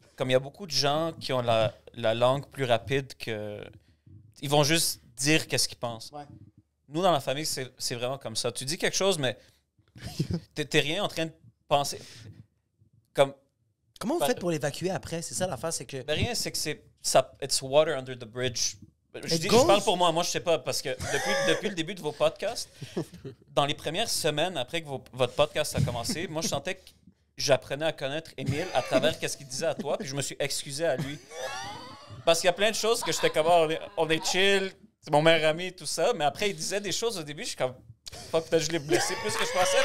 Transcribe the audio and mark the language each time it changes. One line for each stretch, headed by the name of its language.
French: Comme il y a beaucoup de gens qui ont la langue plus rapide que... Ils vont juste dire qu'est-ce qu'ils pensent. Ouais. Nous, dans la famille, c'est vraiment comme ça. Tu dis quelque chose, mais t'es rien en train de penser. Comme... Comment vous faites pour l'évacuer après? C'est ça l'affaire, c'est que... Ben rien, c'est que c'est...
English: Ça, it's water under the bridge.
French: Je parle pour moi. Moi, je sais pas, parce que depuis le début de vos podcasts, dans les premières semaines après que votre podcast a commencé, moi, je sentais que j'apprenais à connaître Émile à travers qu'est-ce qu'il disait à toi, puis je me suis excusé à lui. Parce qu'il y a plein de choses que j'étais comme, oh, on est chill, c'est mon meilleur ami, tout ça, mais après, il disait des choses au début, je suis comme, fuck, peut-être je l'ai blessé plus que je pensais.